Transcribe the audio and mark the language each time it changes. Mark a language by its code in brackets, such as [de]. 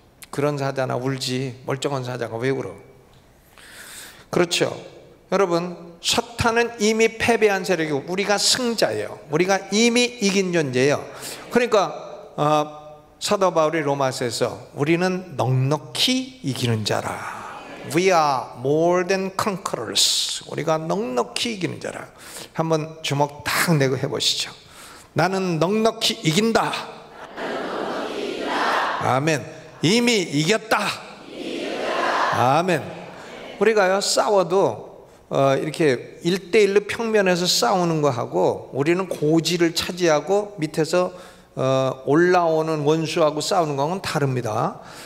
[ko] 그런 사자나 울지 멀쩡한 사자가 왜 울어? 그렇죠. 여러분, 사탄은 이미 패배한 세력이고 우리가 승자예요. 우리가 이미 이긴 존재예요. 그러니까 사도 바울이 로마서에서 우리는 넉넉히 이기는 자라. [en] We are more than conquerors. [ko] 우리가 넉넉히 이기는 자라. 한번 주먹 딱 내고 해보시죠. 나는 넉넉히 이긴다. 아멘. 이미 이겼다. 아멘. 우리가요, 싸워도 이렇게 1대1로 평면에서 싸우는 거하고 우리는 고지를 차지하고 밑에서 올라오는 원수하고 싸우는 거는 다릅니다.